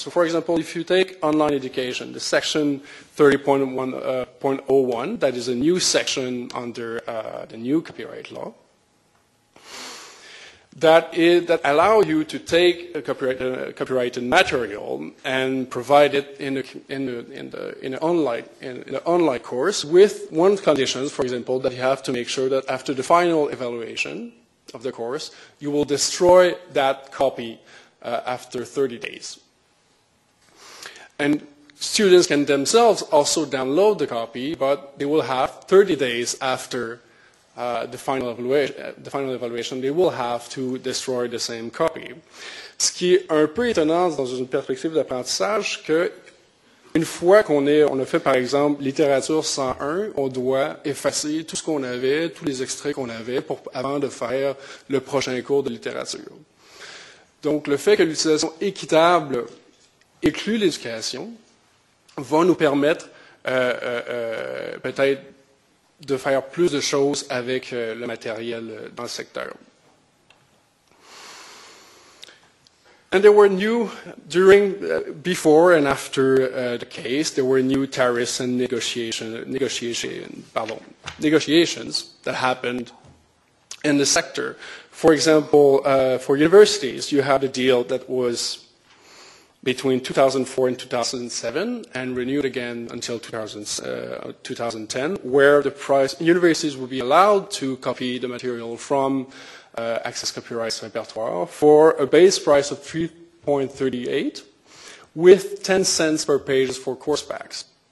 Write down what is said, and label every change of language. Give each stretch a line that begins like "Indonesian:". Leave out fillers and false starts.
English: So, for example, if you take online education, the section 30.01, that is a new section under the new copyright law, that allow you to take a copyrighted material and provide it in an online course with one condition, for example, that you have to make sure that after the final evaluation of the course, you will destroy that copy after 30 days. And students can themselves also download the copy, but they will have 30 days after the final evaluation, they will have to destroy the same copy.
French: Ce qui est un peu étonnant dans une perspective d'apprentissage, que une fois qu'on a fait par exemple littérature 101, on doit effacer tout ce qu'on avait, tous les extraits qu'on avait pour avant de faire le prochain cours de littérature. Donc le fait que l'utilisation équitable inclut l'éducation va nous permettre peut-être de faire plus de choses avec le matériel dans le secteur.
English: And there were new, before and after the case, there were new tariffs and negotiations that happened in the sector. For example, for universities, you had a deal that was between 2004 and 2007, and renewed again until 2010, where the price, universities would be allowed to copy the material from Access Copyright's repertoire for a base price of 3.38, with 10 cents per page for course packs.